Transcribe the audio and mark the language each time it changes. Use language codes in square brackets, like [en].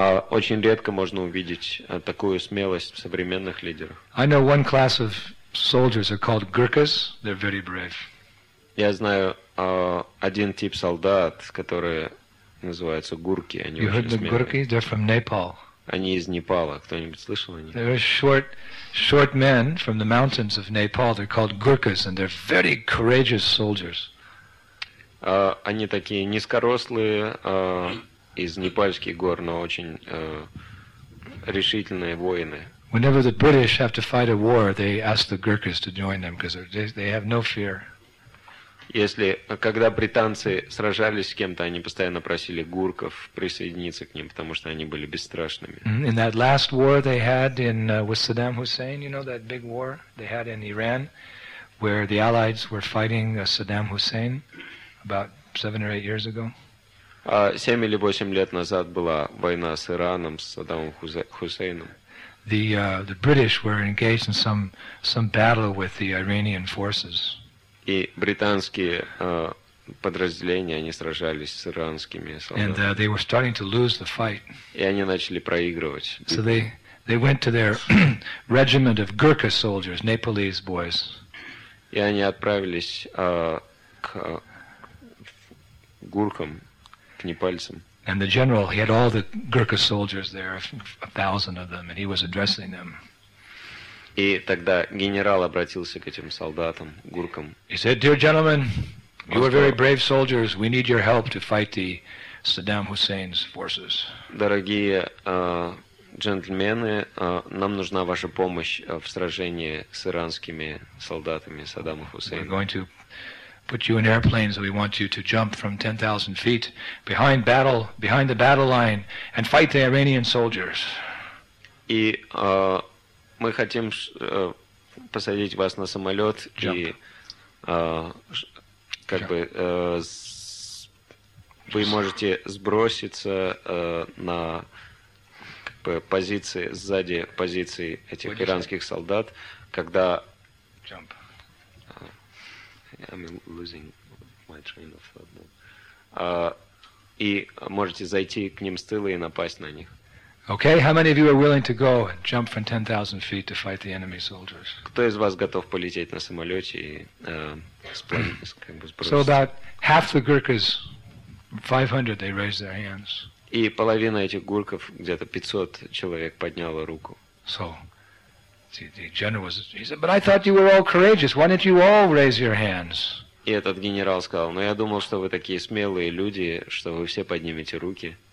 [ru] Очень редко можно увидеть такую смелость в современных лидерах. [en] I know one class of soldiers are called Gurkhas. They're very brave. [ru] Я знаю один тип солдат, которые называются гурки. Они [en] You heard the Gurkhas? They're from Nepal. [ru] Они из Непала. Кто-нибудь слышал о них? [en] They're short men from the mountains of Nepal. They're called Gurkhas, and they're very courageous soldiers. [ru] Они такие низкорослые, из непальских гор, но очень решительные воины. [en] Whenever the British have to fight a war, they ask the Gurkhas to join them because they have no fear. [ru] Если когда британцы сражались с кем-то, они постоянно просили гурков присоединиться к ним, потому что они были бесстрашными. [en] In that last war they had in with Saddam Hussein, you know that big war they had in Iran, where the Allies were fighting Saddam Hussein about 7 or 8 years ago. [ru] 7 или 8 лет назад была война с Ираном, с Саддамом Хусейном. [en] The British were engaged in some battle with the Iranian forces. [ru] И британские подразделения, они сражались с иранскими солдатами. [en] And they were starting to lose the fight. [ru] И они начали проигрывать. [en] So they went to their regiment of Gurkha soldiers, Nepalese boys. [ru] И они отправились к гуркам, к непальцам. [en] And the general, he had all the Gurkha soldiers there, 1,000 of them, and he was addressing them. [ru] И тогда генерал обратился к этим солдатам, гуркам. [en] He said, "Dear gentlemen, you are very brave soldiers. We need your help to fight the Saddam Hussein's forces." [ru] Дорогие джентльмены, нам нужна ваша помощь в сражении с иранскими солдатами Саддама Хусейна. [en] We're going to put you in airplanes. We want you to jump from 10,000 feet behind the battle line and fight the Iranian soldiers. [ru] И мы хотим посадить вас на самолет [en] Jump. [ru] И как [en] Jump. [ru] бы вы можете сброситься на как бы, позиции сзади позиции этих иранских солдат, когда [en] Jump. I'm losing my train of thought. [ru] И можете зайти к ним с тыла и напасть на них. [en] Okay, how many of you are willing to go and jump from 10,000 feet to fight the enemy soldiers? [ru] Кто из вас готов полететь на самолете и [en] So about half the Gurkhas, 500, they raised their hands. [ru] И половина этих гурков, где-то 500 человек, подняла руку. [en] So, the general was, he said, but I thought you were all courageous. Why didn't you all raise your hands? [ru] И этот генерал сказал, но я думал, что вы такие смелые люди, что вы все поднимете руки.